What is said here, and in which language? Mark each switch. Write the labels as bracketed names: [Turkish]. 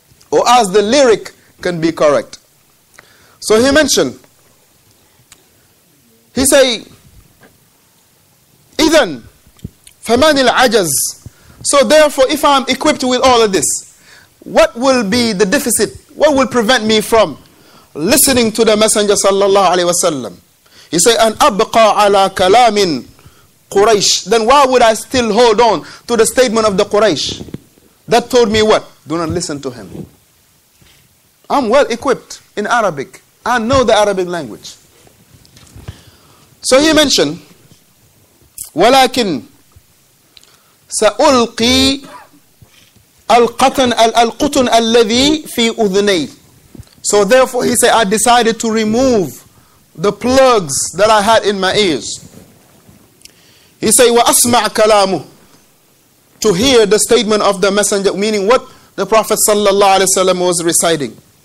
[English] Or as the lyric can be correct. So he mentioned, he say, [Arabic] إذن فمن العجز. [English] So therefore, if I'm equipped with all of this, what will be the deficit? What will prevent me from listening to the Messenger sallallahu alayhi wa sallam? He say, [Arabic] أن أبقى على كلام قريش. [English] Then why would I still hold on to the statement of the Quraysh? That told me what? Do not listen to him. I'm well equipped in Arabic. I know the Arabic language. So he mentioned, [Arabic] ولكن سألقي القطن الذي في أذني. [English] So therefore he said, I decided to remove the plugs that I had in my ears. He said, [Arabic] وأسمع كلامه. [English] To hear the statement of the messenger, meaning what the Prophet صلى الله عليه وسلم was reciting.